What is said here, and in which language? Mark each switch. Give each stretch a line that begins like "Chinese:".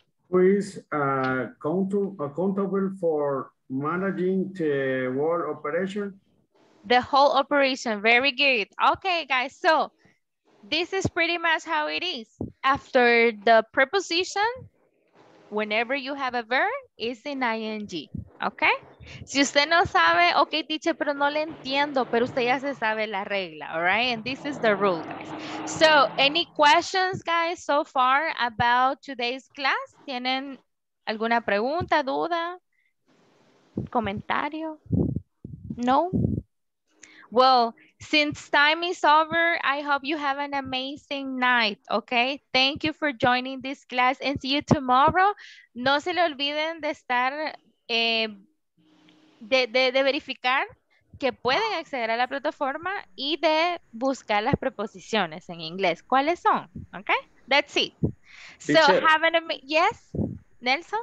English: Who is accountable for managing the whole operation? The whole operation, very good. Okay, guys, so this is pretty much how it is. After the preposition, whenever you have a verb, it's in ing, okay?
Spanish: Si usted no sabe, okay, teacher, pero no le entiendo, pero usted ya se sabe la regla,
English: all right? And this is the rule, guys. So, any questions, guys, so far about today's class?
Spanish: ¿Tienen alguna pregunta, duda, comentario? No?
English: Well, since time is over, I hope you have an amazing night, okay? Thank you for joining this class and see you tomorrow.
Spanish: No se le olviden de estar, de verificar que pueden acceder a la plataforma y de buscar las preposiciones en inglés. ¿Cuáles son?
English: Okay, that's it. So, teacher, have an amazing, yes, Nelson?